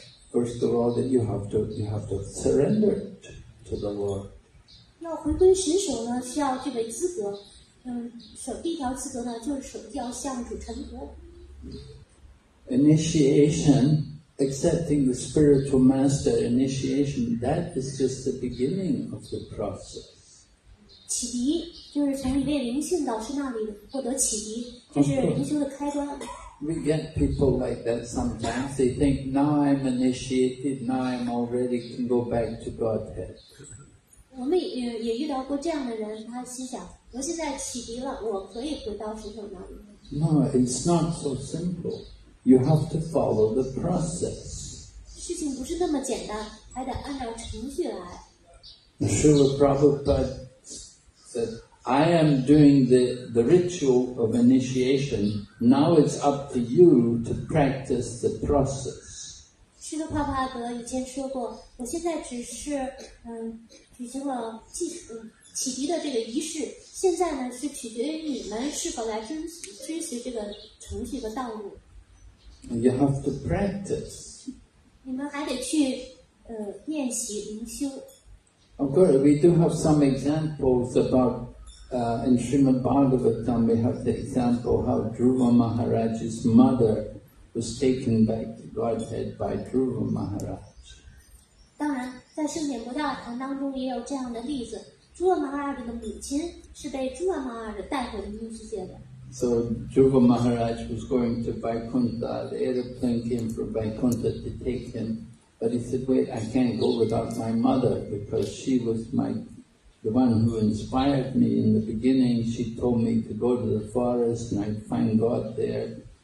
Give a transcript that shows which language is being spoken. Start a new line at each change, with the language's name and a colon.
English: First of all, that you have to surrender to the Lord.
Chinese: 那回归神手呢？需要具备资格。第一条资格呢，就是首先要向主臣服。
English: Initiation, accepting the spiritual master initiation, that is just the beginning of the process.
Chinese: 启迪就是从一位灵性导师那里获得启迪，这是灵修的开端。
English: We get people like that sometimes. They think, now I'm initiated, now I'm already can go back to Godhead.
Chinese: 我们 也遇到过这样的人，他心想，我现在启迪了，我可以回到神手那里。
English: No, it's not so simple. You have to follow the process.
Chinese: 事情不是那么简单，还得按照程序来。
English: Srila Prabhupada said,I am doing the ritual of initiation. Now it's up to you to practice the process.
Chinese: 释迦帕帕德以前说过，我现在只是举行了启迪的这个仪式。现在呢，是取决于你们是否来遵循这个程序和道路。
English: You have to practice.
Chinese: 你们还得去练习灵修。
English: Of course, we do have some examples about. In Srimad Bhagavatam, we have the example how Dhruva Maharaj's mother was taken back to Godhead by Dhruva Maharaj.
Chinese: 当然，在圣贤国大堂当中也有这样的例子。朱瓦玛哈拉的母亲是被朱瓦玛哈拉带回的世界的。
English: So Dhruva Maharaj was going to Vaikuntha. The airplane came from Vaikuntha to take him, but he said, "Wait, I can't go without my mother because she was the one who inspired me in the beginning. She told me to go to the forest and I'd find God there."